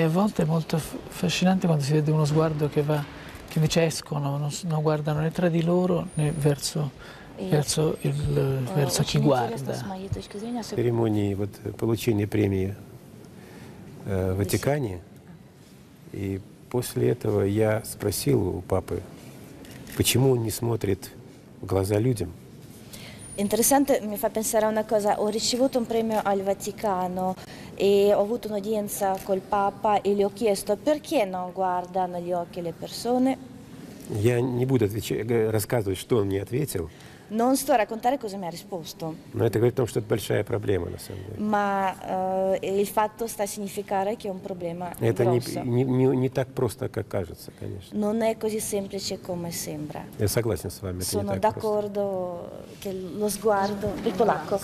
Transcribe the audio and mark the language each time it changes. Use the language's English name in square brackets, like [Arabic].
[Italian] a volte è molto affascinante quando si vede uno sguardo che va, che invece escono, non guardano né tra di loro né verso chi guarda. [Russian] Церемонии вот получения премии в Ватикане, и после этого я спросил у папы, почему он не смотрит в глаза людям. [Italian] Interessante, mi fa pensare a una cosa. Ho ricevuto un premio al Vaticano e ho avuto un'udienza col Papa e gli ho chiesto perché non guarda negli occhi le persone. [Russian] Я не буду рассказывать, что он мне ответил. [Italian] Non sto a raccontare cosa mi ha risposto. [Russian] Но это говорит о том, что это большая проблема на самом деле. [Italian] Ma il fatto sta a significare che è un problema grosso. [Russian] Это не так просто, как кажется, конечно. [Italian] Non è così semplice come sembra. [Russian] Я согласен с вами, это не так просто. [Italian] Sono d'accordo che lo sguardo il polacco.